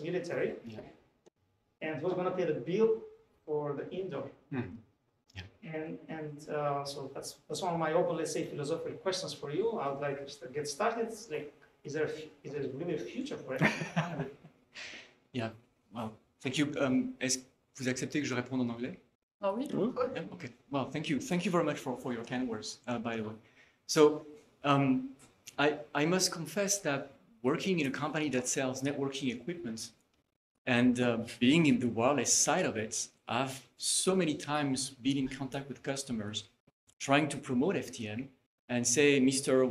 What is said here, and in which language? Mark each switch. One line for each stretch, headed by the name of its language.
English: military. Yeah. And who's going to pay the bill for the indoor? Mm. Yeah. So that's one of my open, let's say, philosophical questions for you. I would like to get started. It's like, is there really a future for it? Yeah. Well, thank you.
French: Est-ce que vous acceptez que je réponde en anglais? Oh, oui. Mm-hmm.
English: Yeah, okay. Well, thank you. Thank you very much for your kind words, by the way. So I must confess that working in a company that sells networking equipment and being in the wireless side of it, I've so many times been in contact with customers trying to promote FTM and say, Mr.